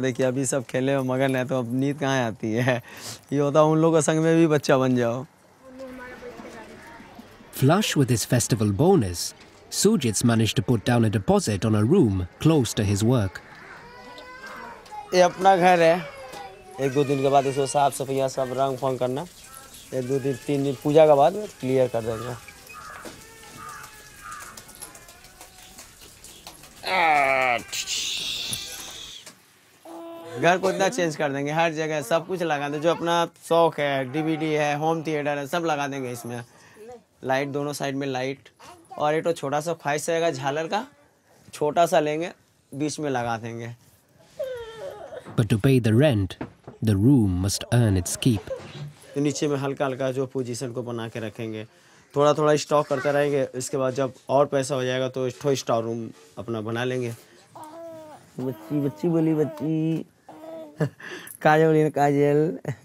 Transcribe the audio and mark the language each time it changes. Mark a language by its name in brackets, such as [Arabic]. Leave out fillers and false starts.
[Hindi] देखिए अभी सब खेले हो मगन है तो अब नींद कहाँ आती है, ये होता उन लोगों के संग में भी बच्चा बन जाओ। [English] Flush with his festival bonus, Sujit's managed to put down a deposit on a room close to his work. [Hindi] ये अपना घर है, एक दो दिन के बाद इसको साफ सफाई सब रंग फंग करना, एक दो दिन तीन दिन पूजा के बाद क्लियर कर देंगे। घर को इतना चेंज कर देंगे, हर जगह सब कुछ लगा दे, जो अपना शौक है डीवीडी है होम थिएटर है सब लगा देंगे इसमें, लाइट दोनों साइड में लाइट, और एक तो छोटा सा फाइस रहेगा झालर का, छोटा सा लेंगे बीच में लगा देंगे। [English] But to pay the rent, the room must earn its keep. [Hindi] तो नीचे में हल्का हल्का जो पोजीशन को बना के रखेंगे, थोड़ा थोड़ा स्टॉक करते रहेंगे, इसके बाद जब और पैसा हो जाएगा तो थो स्टॉक रूम अपना बना लेंगे। बच्ची बच्ची बोली बच्ची काजल बोली काजल